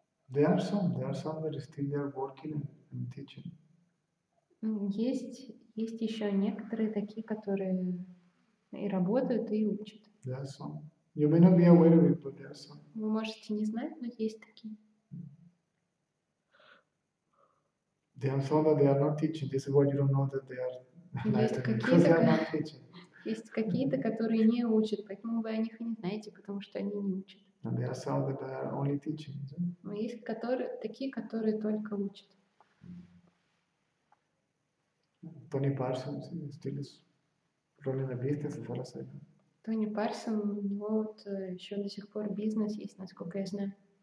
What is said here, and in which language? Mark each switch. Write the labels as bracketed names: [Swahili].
[English] There are some that are still there working and teaching. [Russian] Есть еще некоторые такие, которые и работают, и учат. [English] There are some. You may not be aware of it, but there are some. [Russian] Вы можете не знать, но есть такие. [English] There are some that they are not teaching. This is why you don't know that they are teaching. [Russian] Есть какие-то, которые не учат, поэтому вы о них и не знаете, потому что они не учат. [English] And there are some that are only teaching. [Russian] Но есть такие, которые только учат. [English] Tony Parsons still is running a business, as far as I know. [Russian] Tony Parsons, у него вот еще до сих пор бизнес есть, насколько я знаю.